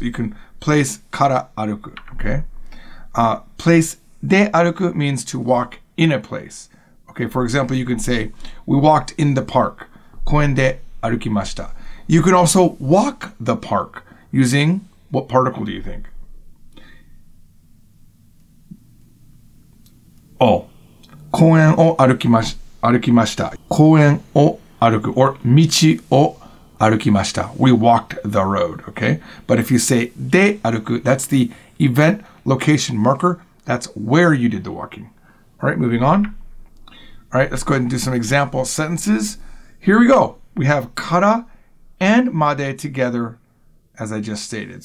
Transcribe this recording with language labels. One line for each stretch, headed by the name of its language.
English: You can place
Japanese: kara aruku,
English: okay?
Japanese: Place de aruku
English: means to walk in a place. Okay, for example, you can say, we walked in the park.
Japanese: Koen de arukimashita.
English: You can also walk the park using, what particle do you think?
Japanese: Oh, 公園を歩きました. 公園を歩く, or 道を歩きました.
English: We walked the road, okay? But if you say
Japanese: で歩く,
English: that's the event location marker. That's where you did the walking. All right, moving on. All right, let's go ahead and do some example sentences. Here we go. We have から and まで together, as I just stated.